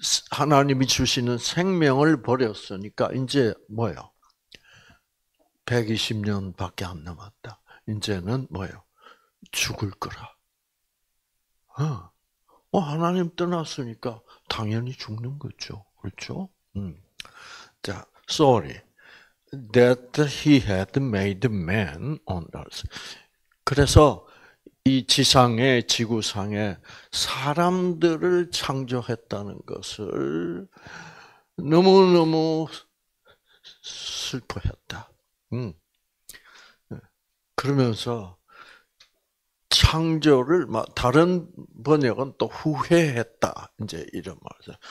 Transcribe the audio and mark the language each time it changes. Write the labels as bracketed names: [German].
[Korean] 하나님이 주시는 생명을 버렸으니까 이제 뭐요? 120년밖에 안 남았다. 이제는 뭐요? 죽을 거라. 하나님 떠났으니까 당연히 죽는 거죠. 그렇죠? [English] 자, sorry that he had made man on earth. [Korean] 그래서 이 지상에 지구상에 사람들을 창조했다는 것을 너무너무 슬퍼했다. 그러면서 창조를 막 다른 번역은 또 후회했다. 이제 이런 말이죠.